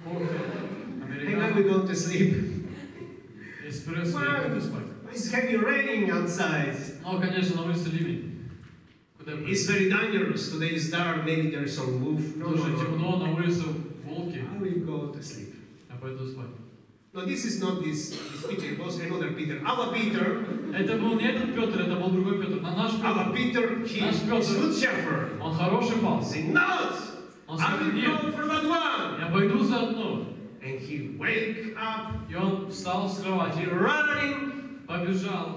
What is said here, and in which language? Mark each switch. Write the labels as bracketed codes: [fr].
[ru] Кофе. [en] Americano. And I will go to sleep. [ru] Эспрессо. Я пойду спать. [en] It's heavy raining outside. [ru] Oh, конечно, на улице ливень. Куда? [en] It's very dangerous. Today is dark. Maybe there is some wolf. [ru] Слушай, темно, на улице волки. [en] I will go to sleep. [ru] Я пойду спать. [en] No, this is not this Peter, it was another Peter. Our Peter. [ru] Это был не этот Петр, это был другой Петр. Но наш Петр. [en] Our Peter, he is good shepherd. [ru] Он хороший пас. [en] Say, not! [ru] Он сказал, [en] I will go for that one. [ru] Я пойду за одну. [en] And he wake up. [ru] И он встал с кровати. [en] Running. [ru] Побежал.